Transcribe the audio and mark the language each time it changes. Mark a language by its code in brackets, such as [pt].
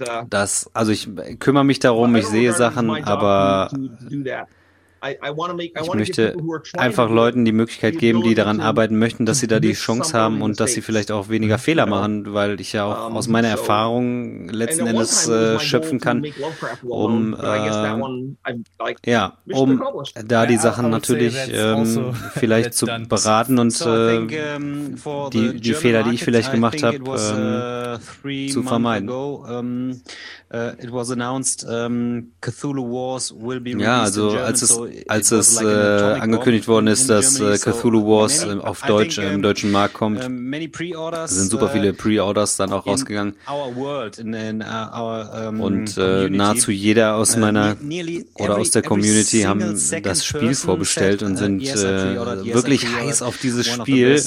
[de] das, also ich kümmere mich darum, ich sehe Sachen, aber ich möchte einfach Leuten die Möglichkeit geben, die daran arbeiten möchten, dass sie da die Chance haben und dass sie vielleicht auch weniger Fehler machen, weil ich ja auch aus meiner Erfahrung letzten Endes schöpfen kann, um da die Sachen natürlich vielleicht zu beraten und die Fehler, die ich vielleicht gemacht habe, zu vermeiden. [en] It was announced Cthulhu Wars will be released in German, [de] so als es like angekündigt worden ist, dass Cthulhu Wars auf Deutsch im deutschen Markt kommt, sind super viele Pre-Orders dann auch rausgegangen. Und nahezu jeder aus meiner oder aus der Community haben das Spiel vorbestellt und sind wirklich heiß auf dieses Spiel.